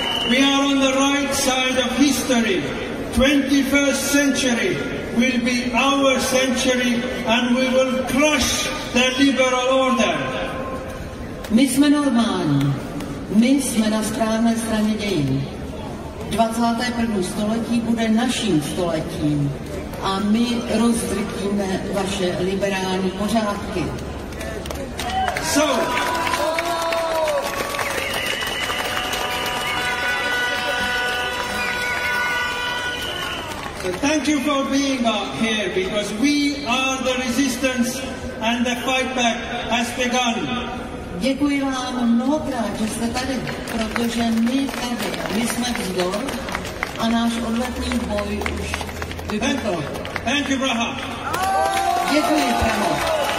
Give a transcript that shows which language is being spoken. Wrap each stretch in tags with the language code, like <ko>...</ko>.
<en>We are on the right side of history. 21st century will be our century and we will crush the liberal order.</en> <cs>My jsme normální. My jsme na správné straně dějin. 21. století bude naším stoletím. A my rozdrtíme vaše liberální pořádky.</cs> <en>So, thank you for being here because we are the resistance and the fight back has begun.</en> <cs>Děkuji vám mnohokrát, že jste tady, protože my tady, my jsme vzdor a náš odletný boj už.</cs> <en>Thank you, Braha.</en> <cs>Děkuji, Braha.</cs>